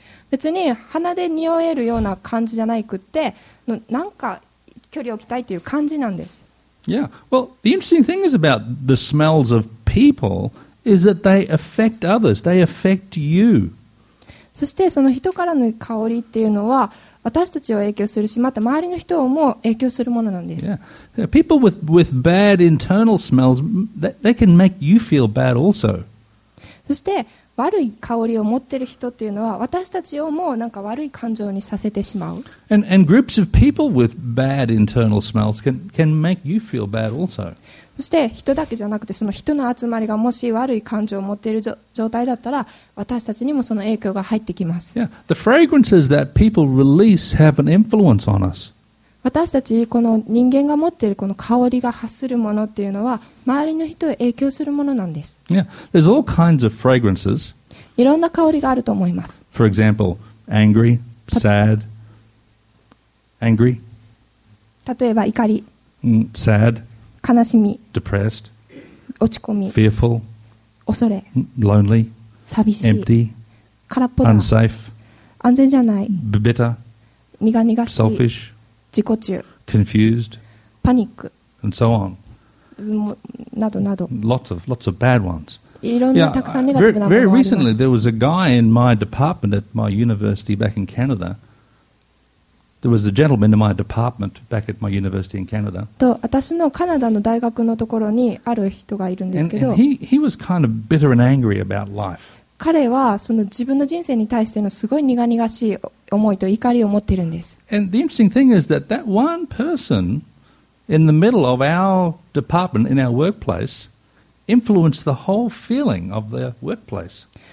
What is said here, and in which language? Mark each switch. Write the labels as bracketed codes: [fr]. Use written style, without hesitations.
[ja] 別に鼻で匂えるような感じじゃないくって、なんか距離を置きたいという感じなんです。 [en] Yeah. Well, the interesting thing is about the smells of people is that they affect others. They affect you. [ja] そしてその人からの香りっていうのは私たちを影響するしまた周りの人をも影響するものなんです。 [en] Yeah. People with bad internal smells, they can make you feel bad also. [ja] そして悪い香りを持ってる人っていうのは私たちをもなんか悪い感情にさせてしまう。 [en] And groups of people with bad internal smells can make you feel bad also. [ja] そして人だけじゃなくてその人の集まりがもし悪い感情を持っている状態だったら私たちにもその影響が入ってきます。 [en] Yeah. The fragrances that people release have an influence on us. [ja] 私たちこの人間が持っているこの香りが発するものっていうのは周りの人へ影響するものなんです。 [en] Yeah. There's all kinds of fragrances. [ja] いろんな香りがあると思います。 [en] For example, angry, sad, angry. [ja] 例えば怒り。 [en] Sad. [ja] 悲しみ、 [en] depressed, [ja] 落ち込み、 [en] fearful, [ja] 恐れ、 [en] lonely, [ja] 寂しい、 [en] empty, [ja] 空っぽだ、 [en] unsafe, [ja] 安全じゃない、 [en] bitter, [ja] 苦々しい、 [en] selfish, [ja] 自己中、 [en] confused, [ja] パニック、 [en] and so on, [ja] などなど、 [en] lots of bad ones. [ja] いろんな、たくさんネガティブなものがあります。 [en] Very recently, there was a guy in my department at my university back in Canada. There was a gentleman in my department back at my university in Canada. [ja] と私のカナダの大学のところにある人がいるんですけど、 [en] he was kind of bitter and angry about life. [ja] 彼はその自分の人生に対してのすごい苦々しい思いと怒りを持っているんです。 [en] And the interesting thing is that that one person in the middle of our department in our workplace influenced the whole feeling of the workplace.